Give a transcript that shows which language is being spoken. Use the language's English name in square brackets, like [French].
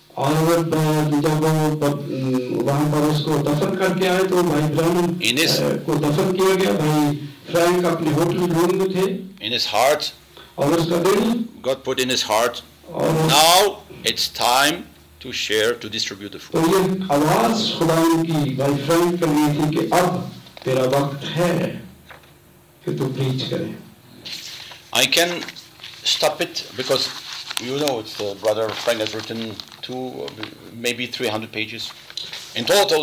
[Hindi] और जब वो वहां पर उसको दफन करके आए तो भाई ब्राह्मण [English] In his, [Hindi] को दफन किया गया भाई फ्रैंक अपने होटल रूम में थे [English] In his heart, [Hindi] और उसका दिल [English] God put in his heart, now it's time to share, to distribute the food. [Hindi] तो ये आवाज खुदा की भाई फ्रैंक के लिए थी कि अब तेरा वक्त है कि तू प्रीच करे. [English] I can stop it because you know it's brother Frank has written 200 maybe 300 pages in total